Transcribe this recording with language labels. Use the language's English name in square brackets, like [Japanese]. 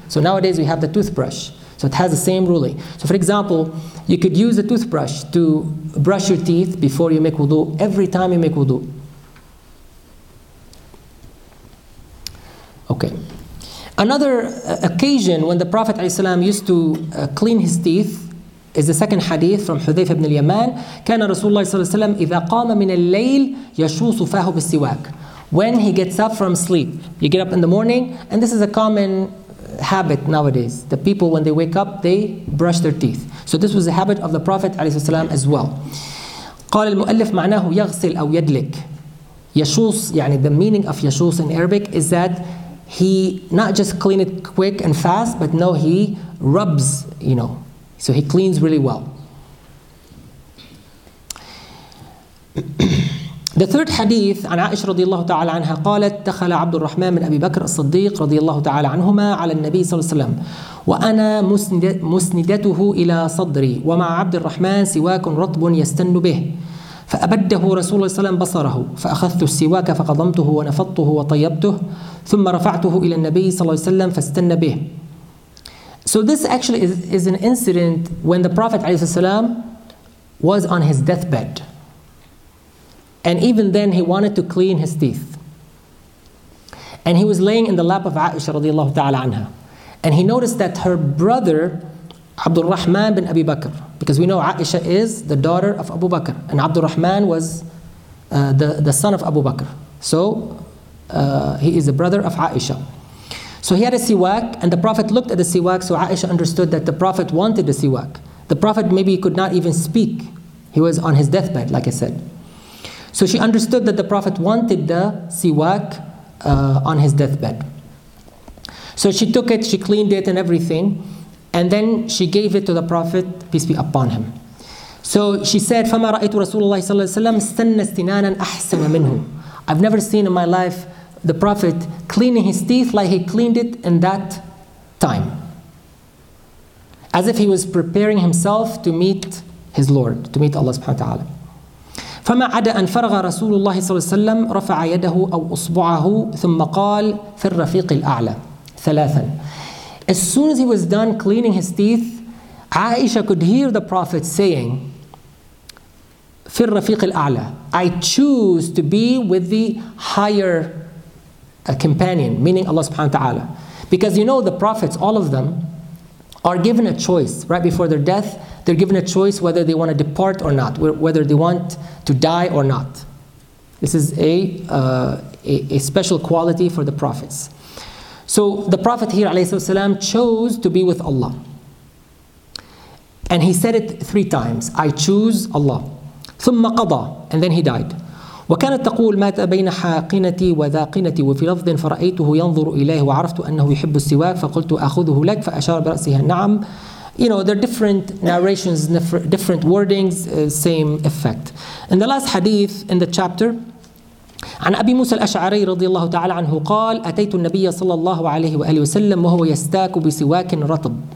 [English] So nowadays we have the toothbrush, so it has the same ruling. So for example, you could use a toothbrush to brush your teeth before you make wudu, every time you make wudu. Okay. Another occasion when the Prophet ﷺ used to clean his teeth is the second hadith from Hudhayfa ibn al-Yaman. [Arabic] كان رسول الله صلى الله عليه وسلم إذا قام من الليل يشوص فاه بالسواك. [English] When he gets up from sleep, you get up in the morning, and this is a common habit nowadays. The people, when they wake up, they brush their teeth. So this was a habit of the Prophet [Arabic] عليه السلام [English] as well. [Arabic] قال المؤلف معناه يغسل أو يدلك. يشوص, يعني [English] the meaning of يشوص in Arabic is that he not just clean it quick and fast, but no, he rubs, you know. So he cleans really well. The third hadith, [Arabic] عن عائشة رضي الله تعالى عنها قالت دخل عبد الرحمن من أبي بكر الصديق رضي الله تعالى عنهما على النبي صلى الله عليه وسلم وأنا مسندته إلى صدري ومع عبد الرحمن سواك رطب يستن به فأبده رسول الله صلى الله عليه وسلم بصره فأخذت السواك فقضمته ونفضته وطيبته ثم رفعته إلى النبي صلى الله عليه وسلم فاستن به. [English] So this actually is an incident when the Prophet [Arabic] عليه الصلاة والسلام [English] was on his deathbed. And even then he wanted to clean his teeth. And he was laying in the lap of Aisha radiallahu ta'ala anha. And he noticed that her brother, Abdul Rahman bin Abi Bakr, because we know Aisha is the daughter of Abu Bakr, and Abdul Rahman was the son of Abu Bakr. So he is the brother of Aisha. So he had a siwak, and the Prophet looked at the siwak, so Aisha understood that the Prophet wanted the siwak. The Prophet maybe could not even speak. He was on his deathbed, like I said. So she understood that the Prophet wanted the siwak on his deathbed. So she took it, she cleaned it and everything, and then she gave it to the Prophet, peace be upon him. So she said, [Arabic] فَمَا رَأَيْتُ رَسُولَ اللَّهِ صَلَّى اللَّهِ وَسَلَّمْ سَنَّ اسْتِنَانًا أَحْسَنَ مِنْهُ. [English] I've never seen in my life the Prophet cleaning his teeth like he cleaned it in that time. As if he was preparing himself to meet his Lord, to meet Allah subhanahu wa ta'ala. [Arabic] فما عدا أن فرغ رسول الله صلى الله عليه وسلم رفع يده أو أصبعه ثم قال في الرفيق الأعلى ثلاثا. [English] As soon as he was done cleaning his teeth, Aisha could hear the Prophet saying [Arabic] في الرفيق الأعلى, [English] I choose to be with the higher companion, meaning Allah subhanahu wa ta'ala. Because you know the Prophets, all of them, are given a choice right before their death. They're given a choice whether they want to depart or not, whether they want to die or not. This is a special quality for the Prophets. So the Prophet here, alayhi salam, chose to be with Allah. And he said it three times, I choose Allah. [Arabic] ثُمَّ قَضَى, [English] and then he died. [Arabic] وَكَانَتْ تَقُولْ مَاتَ بَيْنَ حَاقِنَتِي وَذَاقِنَتِي وَفِي لَفْضٍ فَرَأَيْتُهُ يَنْظُرُ إِلَيْهِ وَعَرَفْتُ أَنَّهُ يُحِبُّ السِّوَاكَ فَقُلْتُ أَخُذُهُ لَكَ فَأَشَارَ بِرَأْسِهَا نَعَمْ. [English] You know, there are different narrations, different wordings, same effect. In the last hadith in the chapter, [Arabic] عن أبي موسى الأشعري رضي الله تعالى عنه قال أتيت النبي صلى الله عليه وآله وسلم وهو يستاك بسواك رطب.